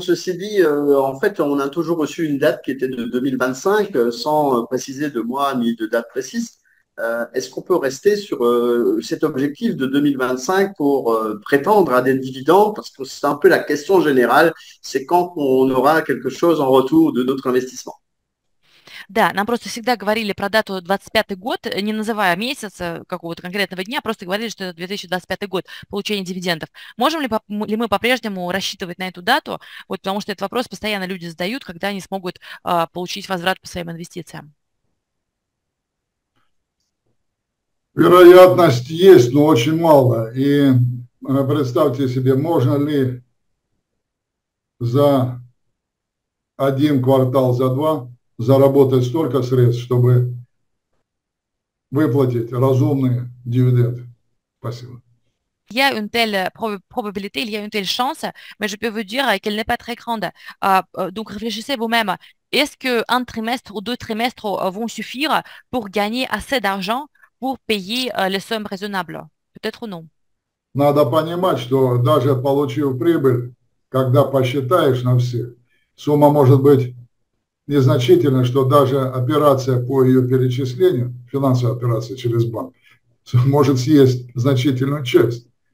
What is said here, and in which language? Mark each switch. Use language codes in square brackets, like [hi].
[fr] Ceci dit, en fait, on a toujours reçu une date qui était de 2025 sans préciser de mois ni de date précise. Est-ce qu'on peut rester sur cet objectif de 2025 pour prétendre à des dividendes? Parce que c'est un peu la question générale, c'est quand on aura quelque chose en retour de notre investissement. [ru] Да, нам просто всегда говорили про дату 25-й год, не называя месяц какого-то конкретного дня, просто говорили, что это 2025 год получения дивидендов. Можем ли мы по-прежнему рассчитывать на эту дату? Вот потому что этот вопрос постоянно люди задают, когда они смогут получить возврат по своим инвестициям. Вероятность есть, но очень мало. И представьте себе, можно ли за один квартал, за два заработать столько средств, чтобы выплатить разумные дивиденды. Спасибо. [fr] Il y a une telle probabilité, il y a une telle chance, mais je peux vous dire qu'elle n'est pas très grande. Donc réfléchissez vous-même. Est-ce que un trimestre ou deux trimestres vont suffire pour gagner assez d'argent pour payer les sommes raisonnables? Peut-être non. [ru] Надо понимать, что даже получив прибыль, когда посчитаешь на все, сумма может быть незначительно, что даже операция по ее перечислению, финансовая операция через банк, может съесть значительную часть.